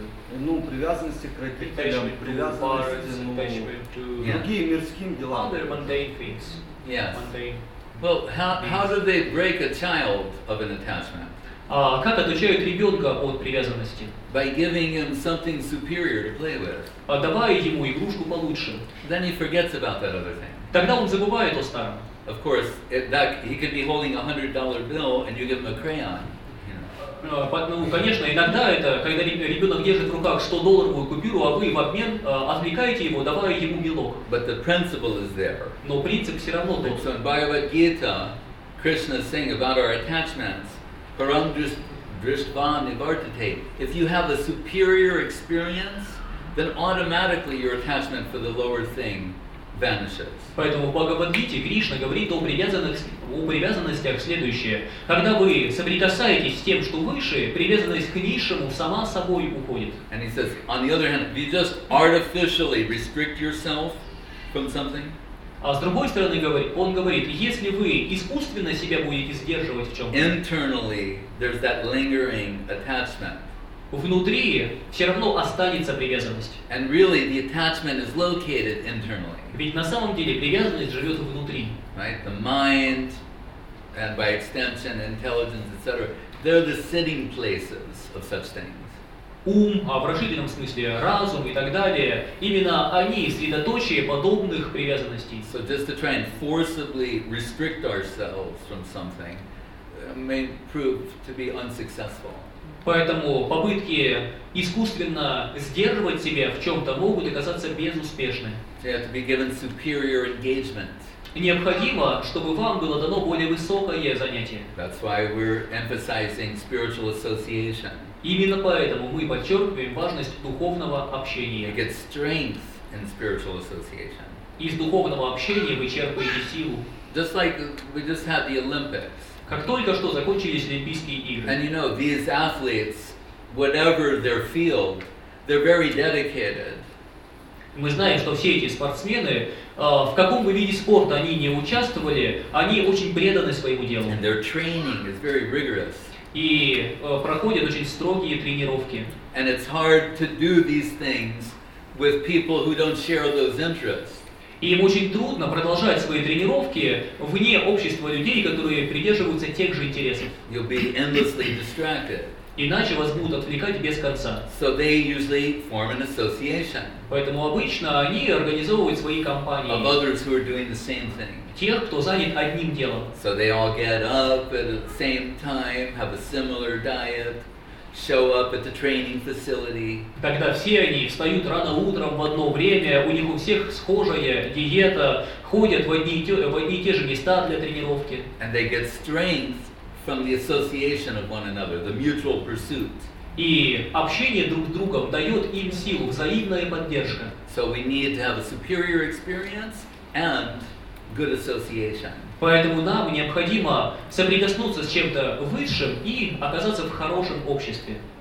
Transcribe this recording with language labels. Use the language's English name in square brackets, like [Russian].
[Russian] Ну, привязанности к родителям, привязанности, ну, другие мирским делам. [English] Other mundane things. Yes. Well, how do they break a child of an attachment? [Russian] Как отучают ребенка от привязанности? [English] By giving him something superior to play with. [Russian] Давая ему игрушку получше. [English] Then he forgets about that other thing. [Russian] Тогда он забывает о старом. [English] Of course, that he could be holding $100 bill and you give him a crayon. [Russian] Ну, конечно, иногда это, когда ребенок держит в руках 100-долларовую купюру, а вы в обмен отвлекаете его, давая ему мелок. [English] But the principle is there. [Russian] Но принцип все равно тот. [English] So in Bhagavad Gita, Krishna is saying about our attachments, [Sanskrit] param drishtva nivartate. [English] If you have a superior experience, then automatically your attachment for the lower thing vanishes. [Russian] Поэтому в Бхагавад-гите Кришна говорит о привязанностях следующее. Когда вы соприкасаетесь с тем, что выше, привязанность к низшему сама собой уходит. [English] And he says, on the other hand, if you just artificially restrict yourself from something, [Russian] а с другой стороны, он говорит, если вы искусственно себя будете сдерживать в чем-то, [English] internally, there's that lingering attachment. [Russian] Внутри все равно останется привязанность. [English] And really, the attachment is located internally. [Russian] Ведь на самом деле привязанность живет внутри. [English] Right? The mind, and by extension, intelligence, etc. They're the sitting places of such things. [Russian] Ум, а в расширенном смысле разум и так далее, именно они средоточие подобных привязанностей. [English] So just to try and forcibly restrict ourselves from something may prove to be unsuccessful. [Russian] Поэтому попытки искусственно сдерживать себя в чем-то могут оказаться безуспешными. [English] So you have to be given superior engagement. [Russian] Необходимо, чтобы вам было дано более высокое занятие. [English] That's why we're emphasizing spiritual association. [Russian] Именно поэтому мы подчеркиваем важность духовного общения. [English] You get strength in spiritual association. [Russian] Из духовного общения вы черпаете силу. [English] Just like we just had the Olympics. [Russian] Как только что закончились Олимпийские игры. [English] And you know, these athletes, whatever their field, they're very dedicated. [Russian] Мы знаем, что все эти спортсмены, в каком бы виде спорта они не участвовали, они очень преданы своему делу. [English] And their training is very rigorous. [Russian] И проходят очень строгие тренировки. [English] And it's hard to do these things with people who don't share those interests. [Russian] И им очень трудно продолжать свои тренировки вне общества людей, которые придерживаются тех же интересов. [English] You'll be endlessly distracted. [Russian] Иначе вас будут отвлекать без конца. [English] So they usually form an association. [Russian] Поэтому обычно они организовывают свои компании. [English] Of others who are doing the same thing. [Russian] Тех, кто занят одним делом. [English] So they all get up at the same time, have a similar diet, show up at the training facility. [Russian] Тогда все они встают рано утром в одно время, у них у всех схожая диета, ходят в одни и те же места для тренировки. [English] And they get strength from the association of one another, the mutual pursuit. [Russian] И общение друг с другом дает им силу, взаимная поддержка. [English] So we need to have a superior experience and good association. [Russian] Поэтому нам необходимо соприкоснуться с чем-то высшим и оказаться в хорошем обществе.